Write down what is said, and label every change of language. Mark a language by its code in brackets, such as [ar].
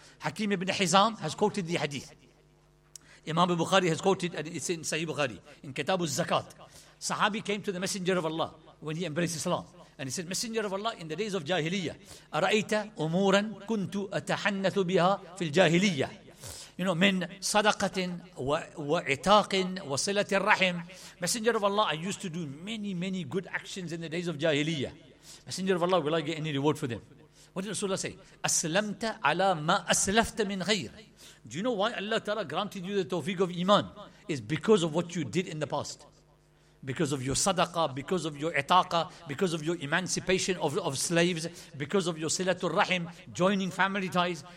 [en] Hakim ibn Hizam has quoted the hadith. Imam Bukhari has quoted, and it's in Sahih Bukhari, in Kitab al-Zakat. Sahabi came to the Messenger of Allah when he embraced Islam. And he said, Messenger of Allah, in the days of Jahiliyyah, [ar] أَرَأَيْتَ أُمُورًا كُنْتُ أَتَحَنَّثُ بِهَا فِي الْجَاهِلِيَّةِ. [en] You know, [ar] من صدقة وعتاق وصلة الرحم. [en] Messenger of Allah, I used to do many, many good actions in the days of Jahiliyyah. Messenger of Allah, will I get any reward for them? What did Rasulullah say? [ar] أَسْلَمْتَ عَلَىٰ مَا أَسْلَفْتَ مِنْ غَيْرِ. [en] Do you know why Allah Ta'ala granted you the tawfiq of iman? It's because of what you did in the past. Because of your sadaqah, because of your itaqah, because of your emancipation of slaves, because of your silatul rahim, joining family ties.